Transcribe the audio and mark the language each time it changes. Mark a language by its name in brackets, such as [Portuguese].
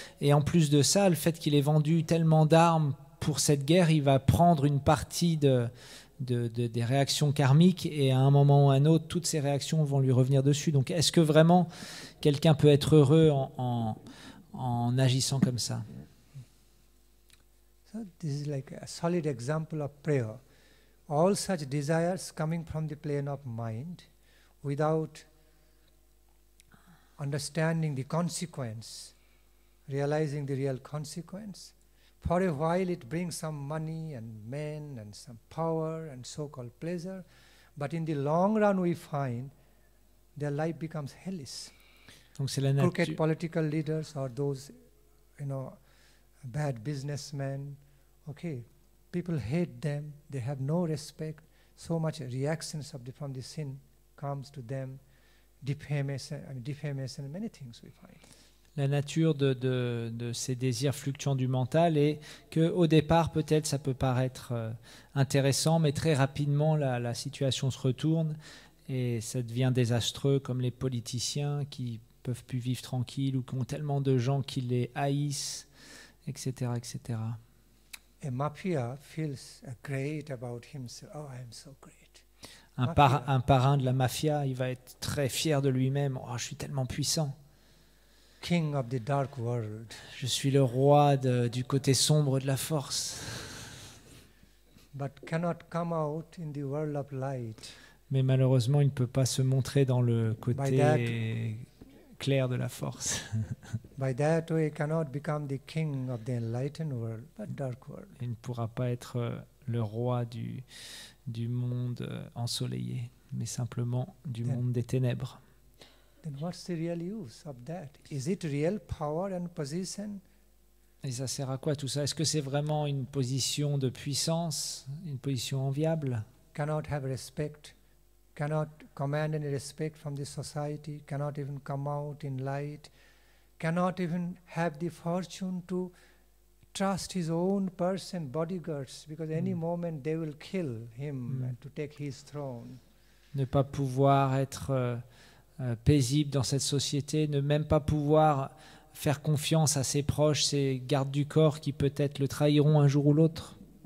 [French] Et en plus de ça, le fait qu'il ait vendu tellement d'armes pour cette guerre, il va prendre une partie des réactions karmiques, et à un moment ou un autre, toutes ces réactions vont lui revenir dessus. Donc, est-ce que vraiment quelqu'un peut être heureux en agissant comme ça? [English] So this is like a solid example of prayer. All such desires coming from the plane of mind, without understanding the consequence, realizing the real consequence. For a while it brings some money and men and some power and so-called pleasure, but in the long run we find their life becomes hellish. [French] Donc c'est la nature. [English] Crooked political leaders or those, you know, bad businessmen, okay, people hate them, they have no respect, so much reactions from the sin comes to them, defamation, many things we find. [French] La nature de ces désirs fluctuants du mental est qu'au départ, peut-être, ça peut paraître intéressant, mais très rapidement, la situation se retourne et ça devient désastreux, comme les politiciens qui ne peuvent plus vivre tranquilles ou qui ont tellement de gens qui les haïssent, etc., etc. [English] A mafia feels great about himself. Oh, I'm so great. [French] Un parrain de la mafia, il va être très fier de lui-même. Oh, je suis tellement puissant. [English] King of the dark world. [French] Je suis le roi du côté sombre de la force. [English] But cannot come out in the world of light. [French] Mais malheureusement, il ne peut pas se montrer dans le côté clair de la force. [English] By that way, cannot become the king of the enlightened world, but dark world. [French] Il ne pourra pas être le roi du monde ensoleillé, mais simplement du monde des ténèbres. [English] Then what's the real use of that? Is it real power and position? [French] Et ça sert à quoi tout ça? Est-ce que c'est vraiment une position de puissance, une position enviable? [English] Cannot have respect, cannot command any respect from the society, cannot even come out in light, cannot even have the fortune to trust his own person, bodyguards, because any moment they will kill him to take his throne. [French] Ne pas pouvoir être paisible dans cette société, ne même pas pouvoir faire confiance à ses proches, ses gardes du corps qui peut-être le trahiront un jour ou l'autre.